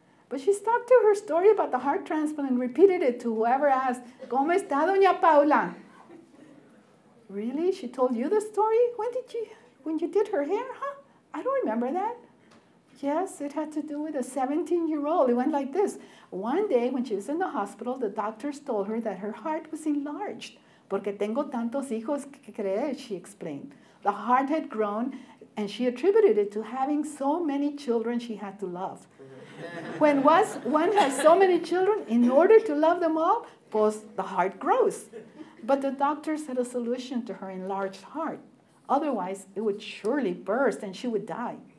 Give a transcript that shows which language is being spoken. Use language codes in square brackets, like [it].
[en] But she stuck to her story about the heart transplant and repeated it to whoever asked, [es] ¿Cómo está Doña Paula? [en] Really? She told you the story? When you did her hair, huh? I don't remember that. Yes, it had to do with a 17-year-old. It went like this. One day when she was in the hospital, the doctors told her that her heart was enlarged. [es] Porque tengo tantos hijos que crees, [en] she explained. The heart had grown, and she attributed it to having so many children she had to love. When one has so many children, in order to love them all, pues the heart grows. But the doctors had a solution to her enlarged heart. Otherwise, it would surely burst and she would die.